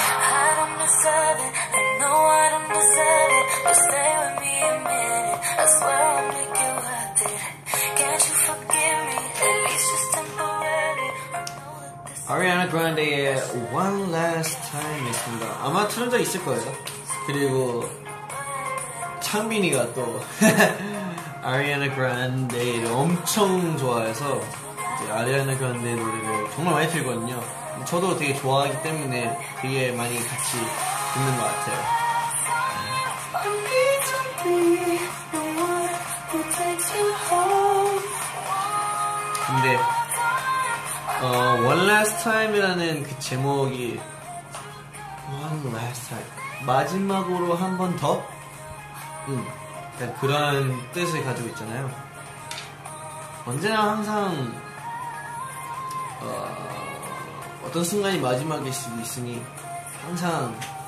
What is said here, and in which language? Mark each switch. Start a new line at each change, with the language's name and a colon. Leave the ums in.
English: I don't deserve it, I know I don't deserve it, but stay with me a minute. I swear I'll make it worth it. Can't you forgive me? At least it's temporary. I know that this
Korean: Ariana Grande의 One Last Time 있습니다. 아마 틀은 적 있을 거예요. 그리고 창빈이가 또 Ariana Grande를 엄청 좋아해서 이제 Ariana Grande 노래를 정말 많이 틀거든요. 저도 되게 좋아하기 때문에 되게 많이 같이 듣는 것 같아요.
English: I need to be the one who takes you home.
Korean: 근데 어, One Last Time이라는 그 제목이 One Last Time 마지막으로 한 번 더? 음, 약간 그런 뜻을 가지고 있잖아요 언제나 항상 어, 떤 순간이 마지막일 수도 있으니 항상